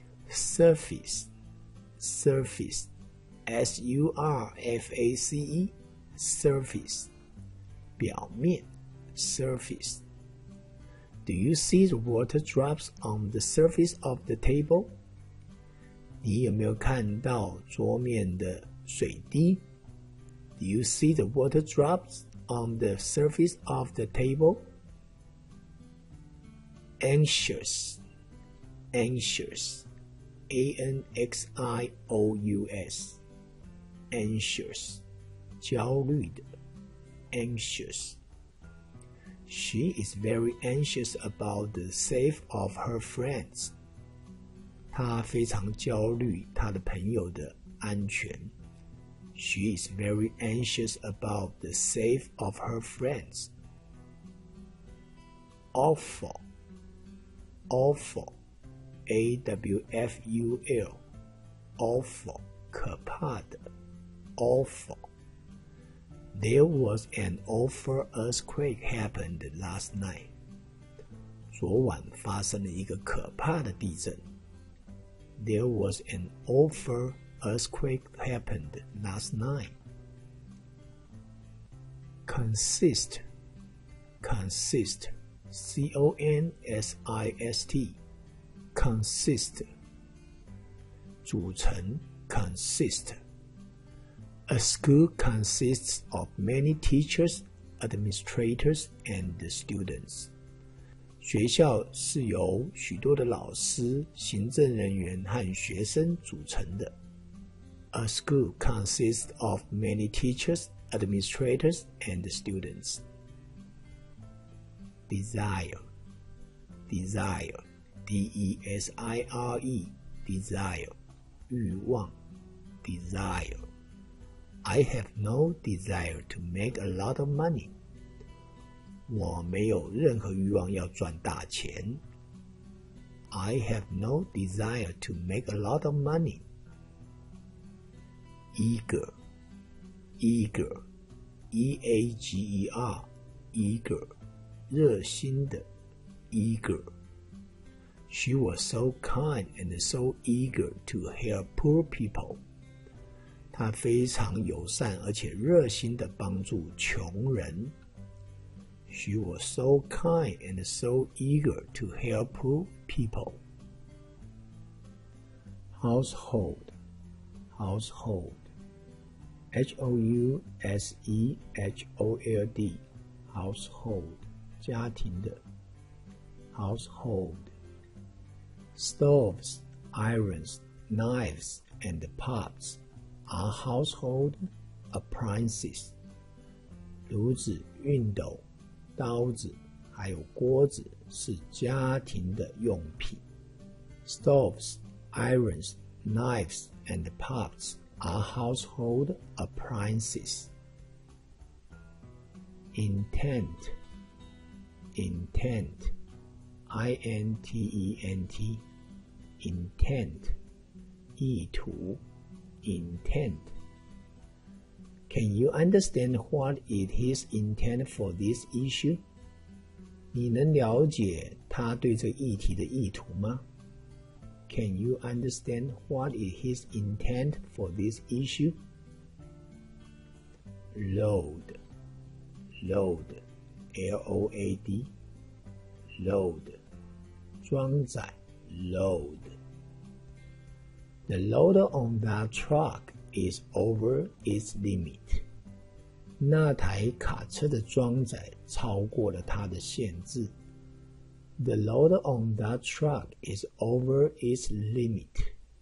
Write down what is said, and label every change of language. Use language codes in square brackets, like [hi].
[en] Surface Surface S-U-R-F-A-C-ESurface 表面 Surface Do you see the water drops on the surface of the table? [zh] 你有没有看到桌面的水滴? [en] Do you see the water drops on the surface of the table? Anxious Anxious A-N-X-I-O-U-S Anxious焦虑的 anxious She is very anxious about the safe of her friends [zh] 她非常焦虑她的朋友的安全 [en] She is very anxious about the safe of her friends Awful Awful A-W-F-U-L Awful 可怕的 Awful There was an awful earthquake happened last night. [zh] 昨晚发生了一个可怕的地震。 [en] There was an awful earthquake happened last night. Consist. Consist. C-O-N-S-I-S-T. Consist. [zh] 组成 consist. [en] A school consists of many teachers, administrators, and students. [zh] 学校是由许多的老师、行政人员和学生组成的。 [en] A school consists of many teachers, administrators, and students. Desire. Desire. D-E-S-I-R-E Desire 欲望 Desire I have no desire to make a lot of money [zh] 我没有任何欲望要赚大钱 [en] I have no desire to make a lot of money. Eager, eager, E-A-G-E-R, eager, 热心的 eager. She was so kind and so eager to help poor people. [zh] 她非常友善而且热心地帮助穷人。 [en] She was so kind and so eager to help poor people. Household, household, H-O-U-S-E-H-O-L-D, household, 家庭的 household. Stoves, irons, knives, and pots are household appliances. [zh] 炉子、熨斗。刀子还有锅子是家庭的用品。 [en] Stoves, irons, knives, and pots are household appliances. Intent, intent, I-N-T-E-N-T, intent, 意图 intent. Can you understand what is his intent for this issue? [zh] 你能了解他对这议题的意图吗? [en] Can you understand what is his intent for this issue? Load, load, L-O-A-D, load, 装载 load. The load on that truck. Is over its limit. [zh] 那台卡车的装载超过了它的限制。 [en] The load on that truck is over its limit.